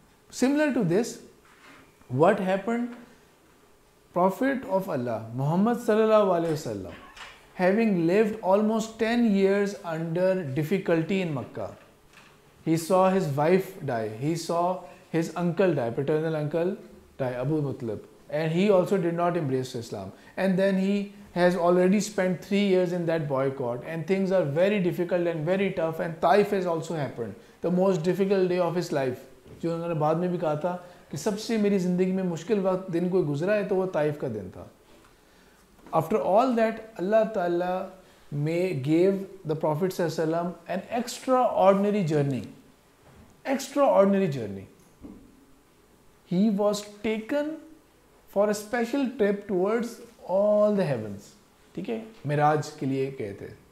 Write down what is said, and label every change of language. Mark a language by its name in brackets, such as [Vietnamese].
[English] Similar to this what happened, prophet of Allah Muhammad صلی اللہ علیہ وسلم having lived almost 10 years under difficulty in Mecca, he saw his wife die, he saw his uncle die, paternal uncle die ابو مطلب, and he also did not embrace Islam, and then he has already spent 3 years in that boycott and things are very difficult and very tough, and Taif has also happened, the most difficult day of his life. [Urdu] جو انہوں نے بعد میں بھی کہا تھا کہ سب سے میری زندگی میں مشکل وقت دن کوئی گزرا ہے تو وہ طائف کا دن تھا. [English] After all that, Allah Ta'ala may gave the Prophet Sallallahu Alaihi Wasallam an extraordinary journey. Extraordinary journey. He was taken for a special trip towards all the heavens. [Urdu] ٹھیک ہے, معراج کے لیے گئے تھے.